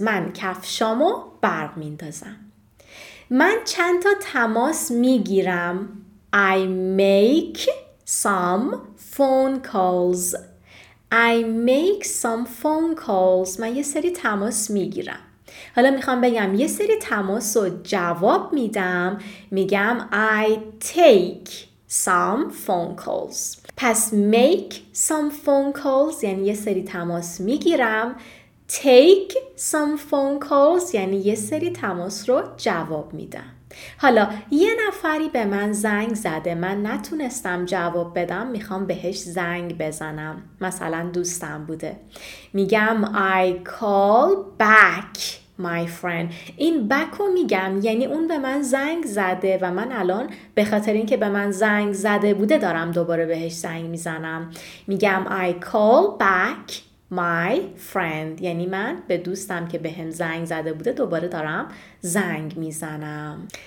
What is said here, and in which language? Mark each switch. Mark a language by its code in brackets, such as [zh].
[fa] من کفشامو برق میندازم. من چند تا تماس میگیرم. [en] I make some phone calls. I make some phone calls. [fa] من یه سری تماس میگیرم. حالا میخوام بگم یه سری تماس رو جواب میدم. میگم [en] I take some phone calls. [fa] پس [en] make some phone calls [fa] یعنی یه سری تماس میگیرم. [en] Take some phone calls [fa] یعنی یه سری تماس رو جواب میدم. حالا یه نفری به من زنگ زده، من نتونستم جواب بدم، میخوام بهش زنگ بزنم. مثلا دوستم بوده، میگم [en] I call back my friend. [fa] این بک رو میگم یعنی اون به من زنگ زده و من الان به خاطر اینکه به من زنگ زده بوده دارم دوباره بهش زنگ میزنم. میگم [en] I call back my friend [fa] یعنی من به دوستم که به هم زنگ زده بوده دوباره دارم زنگ میزنم.